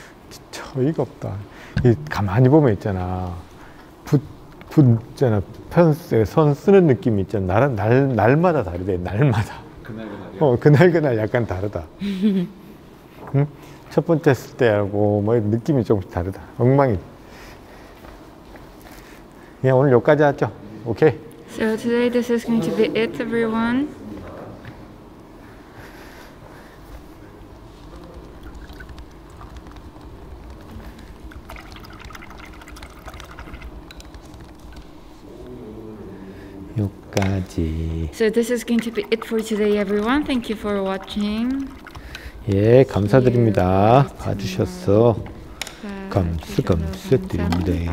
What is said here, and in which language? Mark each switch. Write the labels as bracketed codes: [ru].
[ko] 진짜 어이가 없다. 이 가만히 보면 있잖아. 붙잖아. 펜스에 선 쓰는 느낌이 있잖아. 날마다 다르대. 날마다. 그날그날. 어, 그날그날 약간 다르다. 응? 첫 번째 했을 때하고 뭐 느낌이 조금씩 다르다. 엉망이. 예, 오늘 여기까지 하죠. 오케이. [en] So today this is going to be it, everyone. [ko] 여기까지. [en] So this is going to be it for today, everyone. Thank you for watching. [ko] 예, 감사드립니다. 봐주셔서 감사 드립니다.